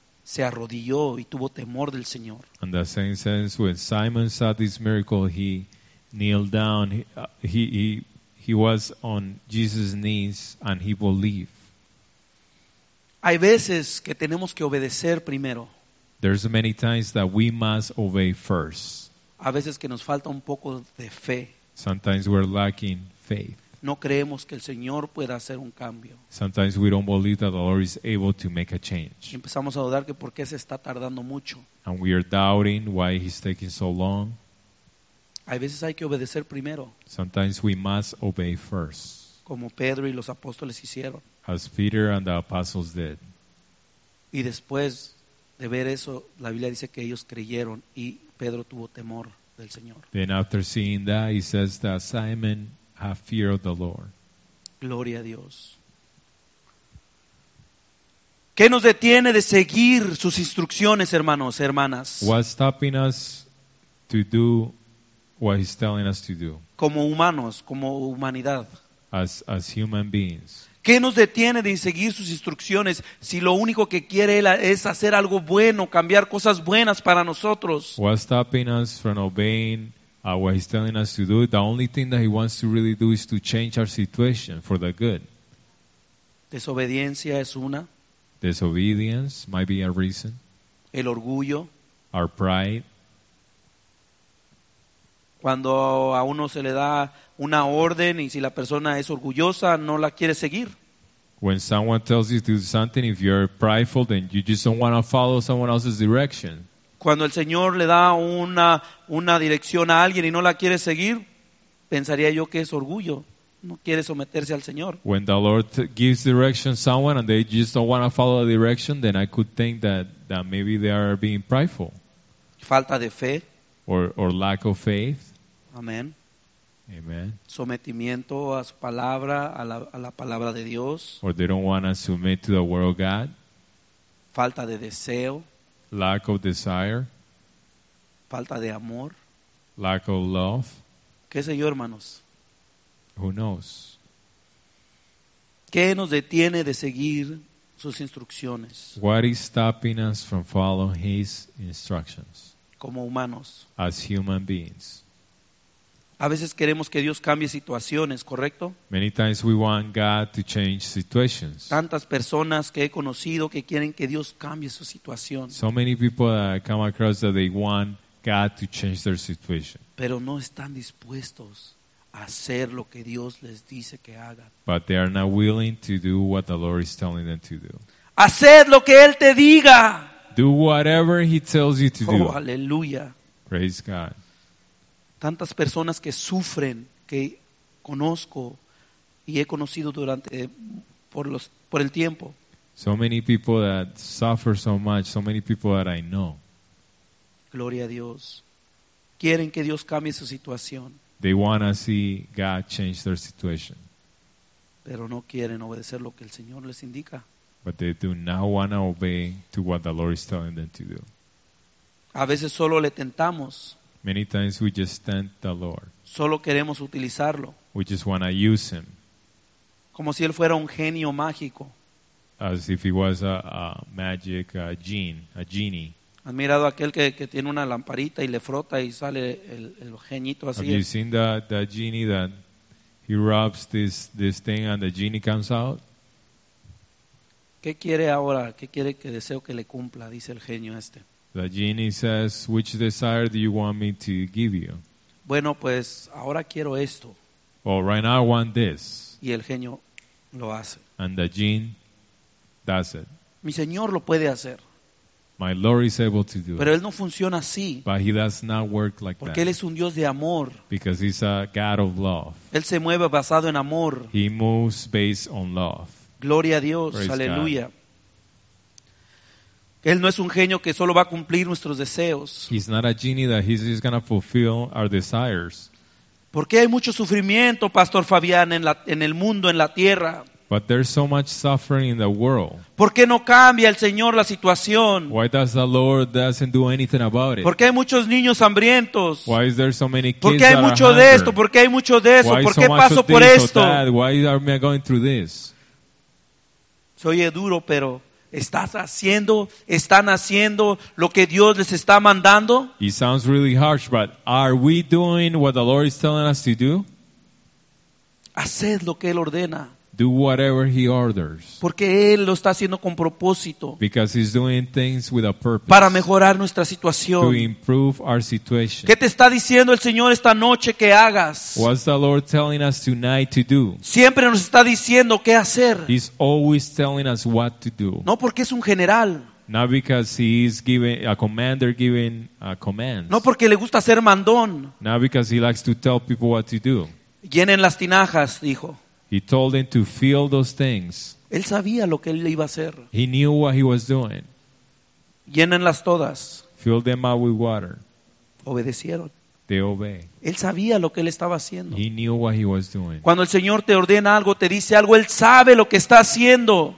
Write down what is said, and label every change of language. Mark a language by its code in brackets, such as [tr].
[es] se arrodilló y tuvo temor del Señor. [en] In the same sense, when Simon saw this miracle, he kneeled down. He was on Jesus' knees and he believed. [es] Hay veces que tenemos que obedecer primero. [en] There's many times that we must obey first. [es] A veces que nos falta un poco de fe. [en] Sometimes we're lacking faith. [es] No creemos que el Señor pueda hacer un cambio. [en] Sometimes we don't believe that the Lord is able to make a change. [es] Y empezamos a dudar que por qué se está tardando mucho. [en] And we are doubting why he's taking so long. [es] A veces hay que obedecer primero. [en] Sometimes we must obey first. [es] Como Pedro y los apóstoles hicieron. [en] As Peter and the apostles did. [es] Y después de ver eso, la Biblia dice que ellos creyeron y Pedro tuvo temor del Señor. [en] Then after seeing that, he says that Simon have fear of the Lord. [es] Gloria a Dios. ¿Qué nos detiene de seguir sus instrucciones, hermanos, hermanas? [en] What's stopping us to do what he's telling us to do? [es] Como humanos, como humanidad. [en] As human beings. [es] ¿Qué nos detiene de seguir sus instrucciones si lo único que quiere él es hacer algo bueno, cambiar cosas buenas para nosotros? [en] What's stopping us from obeying what he's telling us to do? The only thing that he wants to really do is to change our situation for the good. [es] Desobediencia es una. [en] Disobedience might be a reason. [es] El orgullo. [en] Our pride. [es] Cuando a uno se le da una orden y si la persona es orgullosa, no la quiere seguir. [en] When someone tells you to do something, if you're prideful, then you just don't want to follow someone else's direction. [es] Cuando el Señor le da una dirección a alguien y no la quiere seguir, pensaría yo que es orgullo. No quiere someterse al Señor. [en] When the Lord gives direction to someone and they just don't want to follow the direction, then I could think that maybe they are being prideful. [es] Falta de fe. [en] Or lack of faith. [es] Amén. [en] Amen. [es] Sometimiento a su palabra, a la palabra de Dios. [en] Or they don't want to submit to the word of God. [es] Falta de deseo. [en] Lack of desire. [es] Falta de amor. [en] Lack of love. [es] ¿Qué sé yo, hermanos? [en] Who knows? [es] ¿Qué nos detiene de seguir sus instrucciones? [en] What is stopping us from following his instructions? [es] Como humanos. [en] As human beings. [es] A veces queremos que Dios cambie situaciones, ¿correcto? [en] Many times we want God to change situations. [es] Tantas personas que he conocido que quieren que Dios cambie su situación. [en] So many people that I come across that they want God to change their situation. [es] Pero no están dispuestos a hacer lo que Dios les dice que hagan. [en] But they are not willing to do what the Lord is telling them to do. [es] Haced lo que Él te diga. [en] Do whatever He tells you to do. [es] Oh, aleluya. [en] Praise God. [es] Tantas personas que sufren, que conozco y he conocido durante por el tiempo. [en] So many people that suffer so much, so many people that I know. [es] Gloria a Dios. Quieren que Dios cambie su situación. [en] They want to see God change their situation. [es] Pero no quieren obedecer lo que el Señor les indica. [en] But they do not want to obey to what the Lord is telling them to do. [es] A veces solo le tentamos. [en] Many times we just tempt the Lord. [es] Solo queremos utilizarlo. [en] We just want to use him. [es] Como si él fuera un genio mágico. [en] As if he was a magic gene, a genie. [es] ¿Has mirado aquel que tiene una lamparita y le frota y sale el genito así? [en] Have you seen that genie that he rubs this thing and the genie comes out? [es] ¿Qué quiere ahora? ¿Qué quiere que deseo que le cumpla? Dice el genio este. [en] The genie says, which desire do you want me to give you? [es] Bueno, pues ahora quiero esto. [en] Well, right now I want this. [es] Y el genio lo hace. [en] And the genie does it. [es] Mi señor lo puede hacer. [en] My Lord is able to do it. [es] Pero él no funciona así. [en] But he does not work like [es] porque [en] that. [es] Porque él es un Dios de amor. [en] Because he's a God of love. [es] Él se mueve basado en amor. [en] He moves based on love. [es] Gloria a Dios, [en] praise [es] aleluya. [en] God. [es] Él no es un genio que solo va a cumplir nuestros deseos. [en] He's not a genie that he's just gonna fulfill our desires. [es] ¿Por qué hay mucho sufrimiento, Pastor Fabián, en el mundo, en la tierra? [en] But there's so much suffering in the world. [es] ¿Por qué no cambia el Señor la situación? [en] Why does the Lord doesn't do anything about it? [es] ¿Por qué hay muchos niños hambrientos? [en] Why is there so many kids? [es] ¿Por qué hay mucho de esto? ¿Por qué hay mucho de eso? ¿Por qué paso por esto? [en] Why are we going through this? [es] Se oye duro, pero están haciendo lo que Dios les está mandando? [en] It sounds really harsh, but are we doing what the Lord is telling us to do? [es] Haced lo que Él ordena. [en] Do whatever He orders. [es] Porque Él lo está haciendo con propósito. [en] Because He's doing things with a purpose. [es] Para mejorar nuestra situación. [en] To improve our situation. [es] ¿Qué te está diciendo el Señor esta noche que hagas? [en] What's the Lord telling us tonight to do? [es] Siempre nos está diciendo qué hacer. [en] He's always telling us what to do. [es] No porque es un general. [en] Not because he's giving a commander giving a command. [es] No porque le gusta ser mandón. [en] Not because he likes to tell people what to do. [es] Llenen las tinajas, dijo. [en] He told them to fill those things. [es] Él sabía lo que él iba a hacer. [en] He knew what he was doing. [es] Llénenlas todas. [en] Fill them up with water. [es] Obedecieron. [en] They obey. [es] Él sabía lo que él estaba haciendo. [en] He knew what he was doing. [es] Cuando el Señor te ordena algo, te dice algo, él sabe lo que está haciendo.